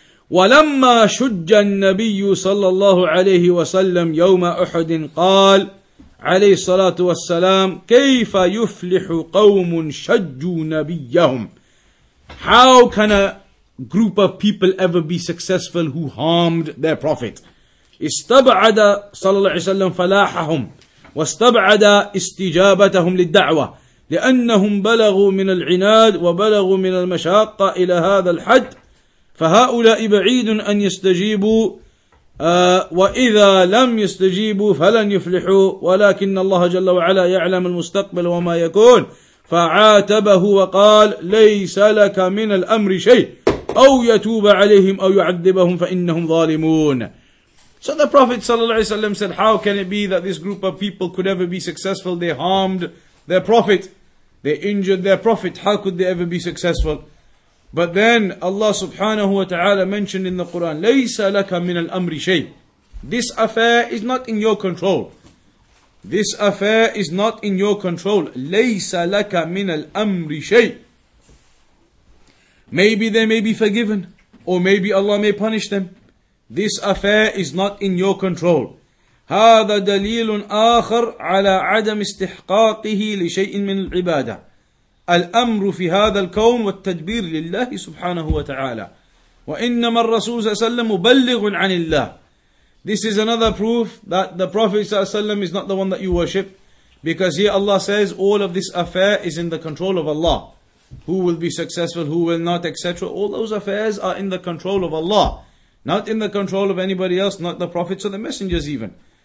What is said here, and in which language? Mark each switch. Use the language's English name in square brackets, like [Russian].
[Arabic] وَلَمَّا شُجَّ النَّبِيُّ صَلَّى اللَّهُ عَلَيْهِ وَسَلَّمْ يَوْمَ أُحُدٍ قَالْ عَلَيْهِ الصَّلَاةُ وَالسَّلَامُ كَيْفَ يُفْلِحُ قَوْمٌ شَجُّ نَبِيَّهُمْ. [English] How can a group of people ever be successful who harmed their prophet? [Arabic] استبعد صلى الله عليه وسلم فلاحهم واستبعد استجابتهم للدعوة لأنهم بلغوا من العناد وبلغوا من المشاقة إلى هذا الحد فهؤلاء بعيد أن يستجيبوا وإذا لم يستجيبوا فلن يفلحوا ولكن الله جل وعلا يعلم المستقبل وما يكون فعاتبه وقال ليس لك من الأمر شيء أو يتوب عليهم أو يعذبهم فإنهم ظالمون. [English] So the Prophet said, how can it be that this group of people could ever be successful? They harmed their Prophet, they injured their Prophet, how could they ever be successful? But then Allah subhanahu wa ta'ala mentioned in the Quran, [Arabic] ليس لك من الأمر شيء. [English] This affair is not in your control. This affair is not in your control. [Arabic] ليس لك من الأمر شيء. [English] Maybe they may be forgiven, or maybe Allah may punish them. This affair is not in your control. [Arabic] هذا دليل آخر على عدم استحقاقه لشيء من العبادة. الأمر في هذا الكون والتدبير لله سبحانه وتعالى. وإنما الرسول صلى الله عليه وسلم مبلغ عن الله. [English] This is another proof that the Prophet ﷺ is not the one that you worship. Because here Allah says all of this affair is in the control of Allah. Who will be successful, who will not, etc. All those affairs are in the control of Allah. Not in the control of anybody else, not the Prophets or the messengers even.